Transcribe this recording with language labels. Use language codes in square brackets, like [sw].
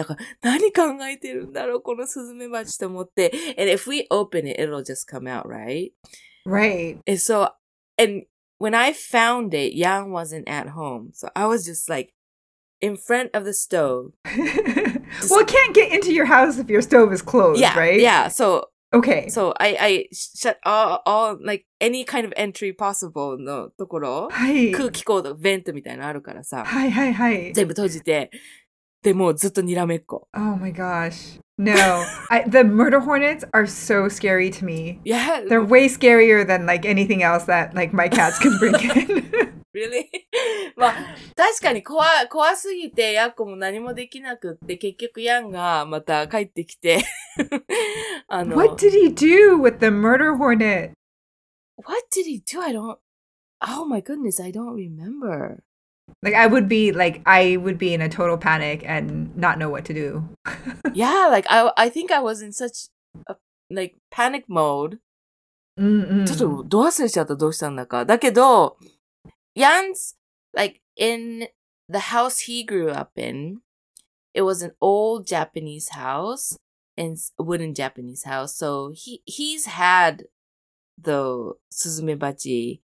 [ja] だから、何考えてるんだろう、このスズメバチと思って。 [en] And if we open it, it'll just come out, right? Right. And so, and when I found it, Yang wasn't at home. So I was just like, in front of the stove. Well, it can't get into your house if your stove is closed, yeah, right? Yeah, so... Okay. So I shut all like any kind of entry possible [ja] のところ、はい、空気口のベントみたいなのあるからさ、はいはいはい、全部閉じて、でもうずっとにらめっこ。 [en] Oh my gosh. No. the murder hornets are so scary to me. Yeah. They're way scarier than like anything else that like my cats can bring in. Really? [ja] まあ、確かに怖すぎて、ヤコも何もできなくって、結局ヤンがまた帰ってきて。 [en] What did he do with the murder hornet? What did he do? Oh my goodness, I don't remember. Like, I would be in a total panic and not know what to do. Yeah, like, I think I was in such a, like, panic mode. [ja] ちょっと、どう忘れちゃった?どうしたんだか。だけど、 [en] Yan's, like, in the house he grew up in, it was an old Japanese house, and a wooden Japanese house, so he's had the suzume bachi